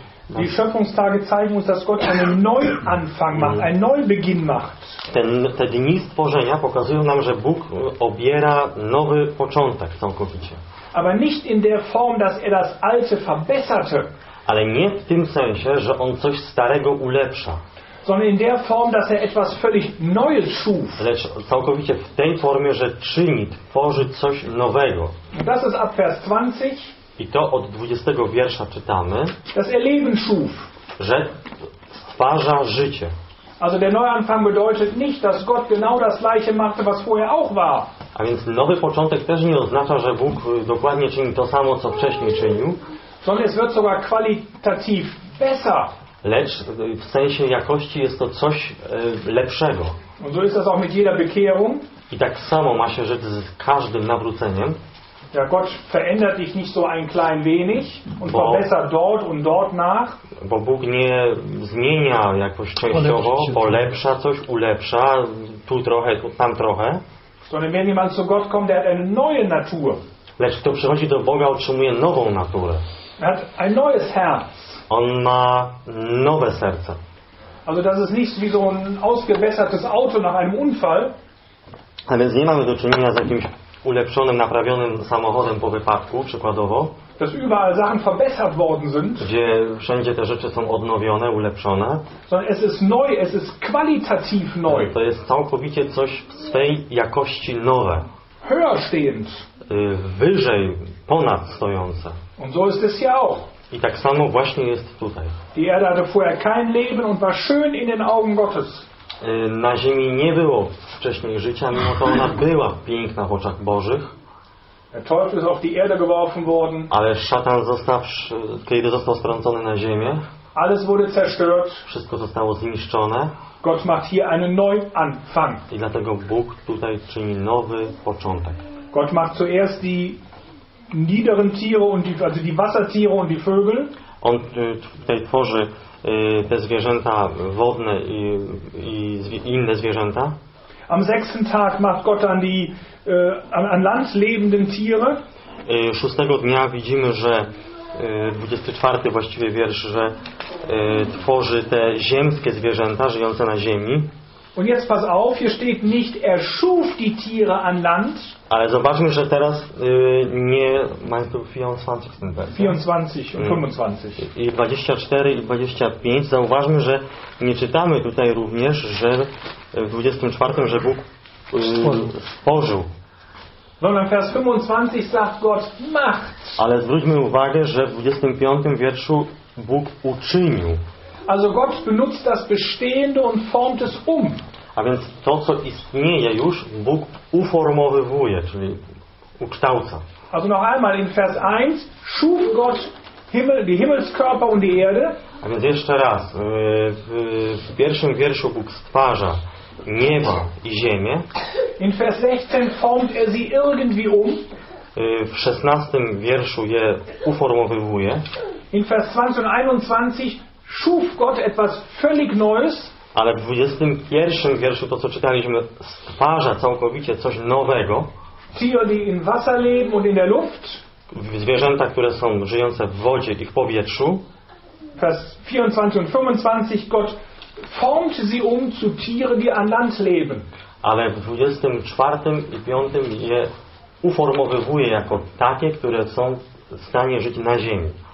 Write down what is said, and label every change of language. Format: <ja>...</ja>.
<de>die Schöpfungstage zeigen uns, dass Gott einen Neuanfang macht, einen Neubeginn macht.</de> <pl>Te dni stworzenia pokazują nam, że Bóg obiera nowy początek całkowicie.</pl> <de>Aber nicht in der Form, dass er das Alte verbesserte.</de> <pl>Ale nie w tym sensie, że on coś starego ulepsza.</pl> <de>Sondern in der Form, dass er etwas völlig Neues schuf.</de> <pl>Lecz całkowicie w tej formie, że czyni, tworzy coś nowego.</pl> <de>Das ist ab Vers 20.</de> <pl>I to od 20 wiersza czytamy,</pl> <de>dass er Leben schuf.</de> <pl>Że stwarza życie.</pl> <de>Also der Neuanfang bedeutet nicht, dass Gott genau das gleiche machte, was vorher auch war.</de> <pl>A więc nowy początek też nie oznacza, że Bóg dokładnie czyni to samo, co wcześniej czynił.</pl> <de>Sondern es wird sogar qualitativ besser.</de> <pl>Lecz w sensie jakości jest to coś lepszego.</pl> <de>Und so ist das auch mit jeder Bekehrung.</de> <pl>I tak samo ma się rzecz z każdym nawróceniem.</pl> <de>Ja, Gott verändert dich nicht so ein klein wenig und verbessert dort und dort nach.</de> <pl>Bo Bóg nie zmienia jakoś częściowo, polepsza coś, ulepsza, tu trochę, tam trochę.</pl> <de>Sondern wenn jemand zu Gott kommt, der hat eine neue Natur.</de> <pl>Lecz kto przychodzi do Boga, otrzymuje nową naturę.</pl> <de>Er hat ein neues Herz.</de> <pl>On ma nowe serce.</pl> <de>Also das ist nicht wie so ein ausgebessertes Auto nach einem Unfall.</de> <pl>A więc nie mamy do czynienia z jakimś ulepszonym, naprawionym samochodem po wypadku, przykładowo.</pl> <de>Dass überall Sachen verbessert worden sind.</de> <pl>Gdzie wszędzie te rzeczy są odnowione, ulepszone.</pl> <de>Sondern es ist neu, es ist qualitativ neu.</de> <pl>To jest całkowicie coś w swej jakości nowe.</pl> <de>Höher stehend.</de> <pl>Wyżej, ponad stojące.</pl> <de>Und so ist es ja auch.</de> <pl>I tak samo właśnie jest tutaj.</pl> <de>Die Erde hatte vorher kein Leben und war schön in den Augen Gottes.</de> <pl>Na ziemi nie było wcześniej życia, mimo to ona była piękna w oczach Bożych.</pl> <de>Der Teufel ist auf die Erde geworfen worden.</de> <pl>Ale szatan został, kiedy został sprowadzony na ziemię,</pl> <de>alles wurde zerstört.</de> <pl>Wszystko zostało zniszczone.</pl> <de>Gott macht hier einen Neuanfang.</de> <pl>I dlatego Bóg tutaj czyni nowy początek.</pl> <de>Gott macht zuerst die niederen Tiere und die, also die Wassertiere und die Vögel.</de> <pl>On tutaj tworzy te zwierzęta wodne i inne zwierzęta.</pl> <de>Am sechsten Tag macht Gott dann die an Land lebenden Tiere.</de> <pl>Szóstego dnia widzimy, że 24 właściwie wiersz, że tworzy te ziemskie zwierzęta żyjące na ziemi.</pl> <de>Und jetzt pass auf, hier steht nicht er schuf die Tiere an Land.</de> <pl>Ale zobaczmy, że teraz nie mamy tu 24 ten wers. 24 i 25. I 24 i 25. Zauważmy, że nie czytamy tutaj również, że w 24, że Bóg stworzył.</pl> <de>Sondern vers 25 sagt Gott macht.</de> <pl>Ale zwróćmy uwagę, że w 25 wierszu Bóg uczynił.</pl> <de>Also Gott benutzt das Bestehende und formt es um.</de> <pl>A więc to, co istnieje już, Bóg uformowywuje, czyli ukształca.</pl> <de>Also noch einmal in Vers 1 schuf Gott Himmel, die Himmelskörper und die Erde.</de> <pl>A więc jeszcze raz, w pierwszym wierszu Bóg stwarza niebo i ziemię.</pl> <de>In Vers 16 formt er sie irgendwie um.</de> <pl>W 16 wierszu je uformowywuje.</pl> <de>In Vers 20 und 21 schuf Gott etwas völlig Neues.</de> <pl>Ale w 21 wierszu, to co czytaliśmy, stwarza całkowicie coś nowego.</pl> <de>Tiere, die in Wasser leben und in der Luft.</de> <pl>Zwierzęta, które są żyjące w wodzie i w powietrzu.</pl> <de>Vers 24 und 25 Gott formt sie um zu Tiere, die an Land leben.</de> <pl>Ale w 24 i 5 je uformowywuje jako takie, które są w stanie żyć na ziemi.</pl>